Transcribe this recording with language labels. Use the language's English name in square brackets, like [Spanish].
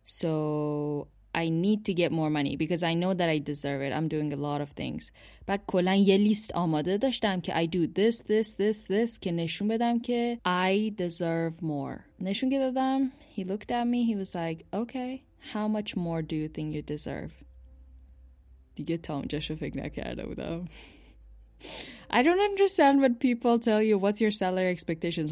[English] So I need to get more money because I know that I deserve it. I'm doing a lot of things. [Persian] بعد کلن یه لیست آماده داشتم که [English] I do this, this, this, this که [Persian] نشون بدم که [English] I deserve more. [Persian] نشون که دادم. [English] He looked at me. He was like, okay, how much more do you think you deserve? [Persian] دیگه تا اونجاشو فکر نکرده بودم. [English] I don't understand when people tell you what's your salary expectations.